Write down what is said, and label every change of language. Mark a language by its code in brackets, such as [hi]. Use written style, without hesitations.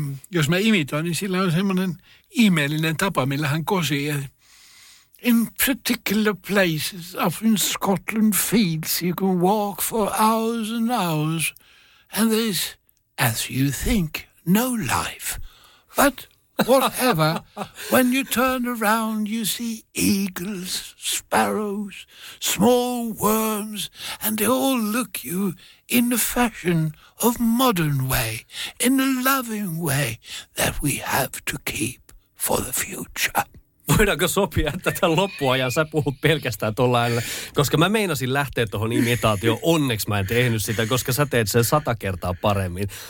[fi] Jos mä imitoin, niin sillä on semmoinen ihmeellinen tapa, millä hän kosii. [en] In particular places up in Scotland fields you can walk for hours and hours and there's, as you think, no life. But whatever, when you turn around, you see eagles, sparrows, small worms, and they all look you in the fashion of modern way, in the loving way that we have to keep for the future. [fi] Voidaanko sopia, että tämän loppuajan sä puhut pelkästään tuolla äänellä? Koska mä meinasin lähteä tuohon imitaatioon, onneksi mä en tehnyt sitä, koska sä teet sen 100 kertaa paremmin.